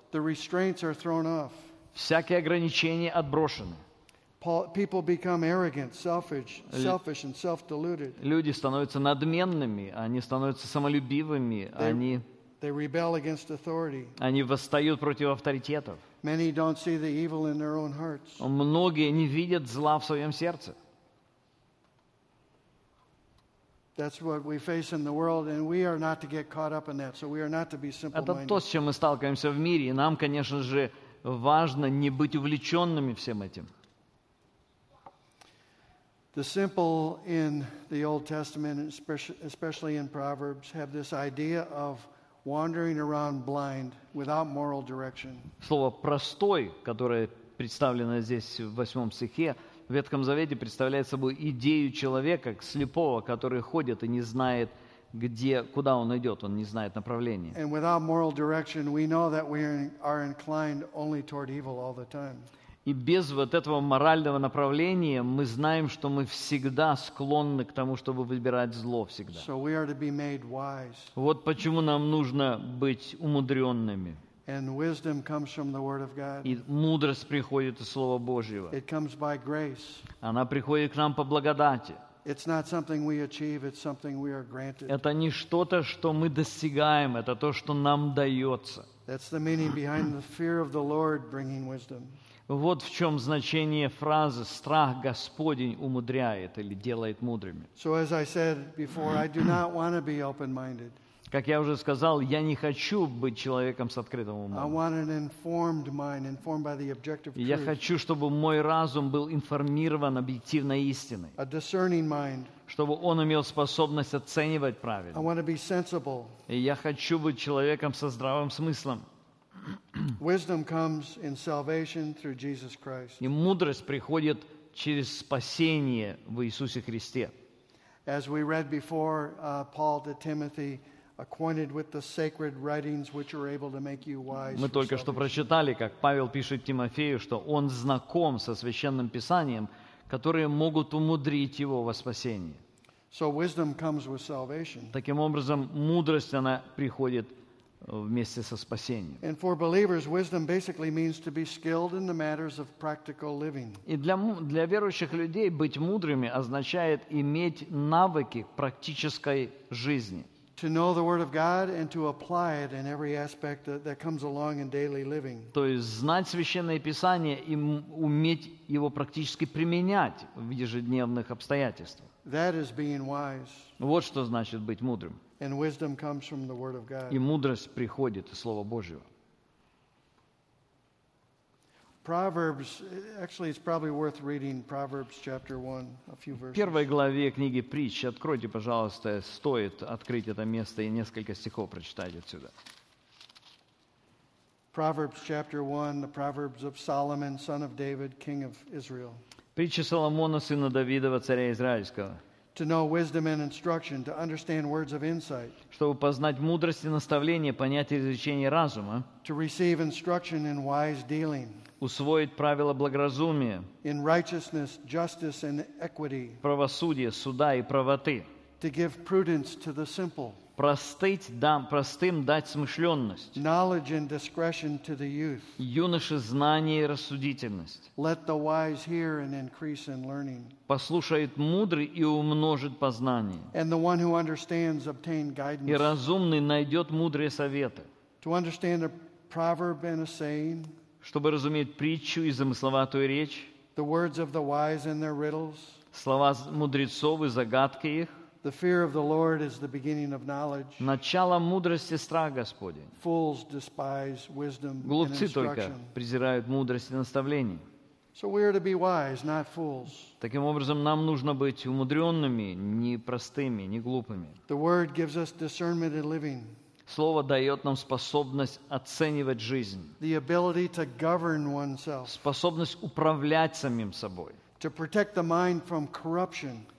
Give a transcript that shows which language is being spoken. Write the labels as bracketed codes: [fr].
[en] The restraints are thrown off. [ru] Всякие ограничения отброшены. [en] People become arrogant, selfish, and self-deluded. [ru] Люди становятся надменными, они становятся самолюбивыми, [en] They rebel against authority. [ru] Они восстают против авторитетов. [en] Many don't see the evil in their own hearts. [ru] Многие не видят зла в своем сердце. [en] That's what we face in the world, and we are not to get caught up in that. So we are not to be simple-minded. [ru] Это то, с чем мы сталкиваемся в мире, и нам, конечно же, важно не быть увлеченными всем этим. [en] The simple in the Old Testament, especially in Proverbs, have this idea of wandering around blind without moral direction. [ru] Слово простой, которое представлено здесь в 8 стихе, в Ветхом Завете представляет собой идею человека слепого, который ходит и не знает, где, куда он идет, он не знает направления. [en] And without moral direction, we know that we are inclined only toward evil all the time. [ru] И без вот этого морального направления мы знаем, что мы всегда склонны к тому, чтобы выбирать зло всегда. [en] So we are to be made wise. [ru] Вот почему нам нужно быть умудренными. [en] And wisdom comes from the Word of God. [ru] И мудрость приходит из Слова Божьего. [en] It comes by grace. [ru] Она приходит к нам по благодати. [en] It's not something we achieve, it's something we are granted. [ru] Это не что-то, что мы достигаем, это то, что нам дается. [en] That's the meaning behind the fear of the Lord bringing wisdom. [ru] Вот в чем значение фразы «страх Господень умудряет» или «делает мудрыми». [en] So as I said before, I do not want to be open-minded. [ru] Как я уже сказал, я не хочу быть человеком с открытым умом. [en] I want an informed mind, informed by the objective truth. [ru] Я хочу, чтобы мой разум был информирован объективной истиной. [en] A discerning mind. [ru] Чтобы он имел способность оценивать правильно. [en] I want to be sensible. [ru] И я хочу быть человеком со здравым смыслом. [en] Wisdom comes in salvation through Jesus Christ. [ru] И мудрость приходит через спасение в Иисусе Христе. [en] As we read before, Paul to Timothy, acquainted with the sacred writings which are able to make you wise. [ru] Мы только что прочитали, как Павел пишет Тимофею, что он знаком со священным писанием, которые могут умудрить его во спасение. [en] So wisdom comes with salvation. [ru] Таким образом, мудрость она приходит вместе со спасением. [en] And for believers, wisdom basically means to be skilled in the matters of practical living. [ru] И для верующих людей быть мудрыми означает иметь навыки практической жизни. [en] To know the word of God and to apply it in every aspect that comes along in daily living. [ru] То есть знать священное писание и уметь его практически применять в ежедневных обстоятельствах. [en] That is being wise. [ru] Вот что значит быть мудрым. [en] And wisdom comes from the word of God. [ru] И мудрость приходит из Слова Божьего. [en] Proverbs, actually, it's probably worth reading Proverbs chapter 1, a few verses. [ru] В первой главе книги Притч, откройте, пожалуйста, стоит открыть это место и несколько стихов прочитать отсюда. [en] Proverbs chapter 1, the Proverbs of Solomon, son of David, king of Israel. [ru] Притча Соломона, сына Давидова, царя Израильского. [en] To know wisdom and instruction, to understand words of insight. [ru] Чтобы познать мудрость и наставление, понять изучение разума. [en] To receive instruction in wise dealing. [ru] Усвоить правила благоразумия. [en] In righteousness, justice and equity. [ru] Правосудие, суда и правоты. [en] To give prudence to the simple. [ru] Простым дать смышленность. [en] Knowledge and discretion to the youth. [ru] Юноше знание и рассудительность. [en] Let the wise hear and increase in learning. [ru] Послушает мудрый и умножит познание. [en] And the one who understands obtain guidance. [ru] И разумный найдет мудрые советы. [en] To understand a proverb and a saying. [ru] Чтобы разуметь притчу и замысловатую речь. [en] The words of the wise and their riddles. [ru] Слова мудрецов и загадки их. [en] The fear of the Lord is the beginning of knowledge. [ru] Начало мудрости – страх Господень. [en] Fools despise wisdom and instruction. [ru] Глупцы только презирают мудрость и наставление. [en] So we are to be wise, not fools. [ru] Таким образом, нам нужно быть умудренными, не простыми, не глупыми. [en] The word gives us discernment in living. [ru] Слово дает нам способность оценивать жизнь. [en] The ability to govern oneself. [ru] Способность управлять самим собой. [en] To protect the mind from corruption.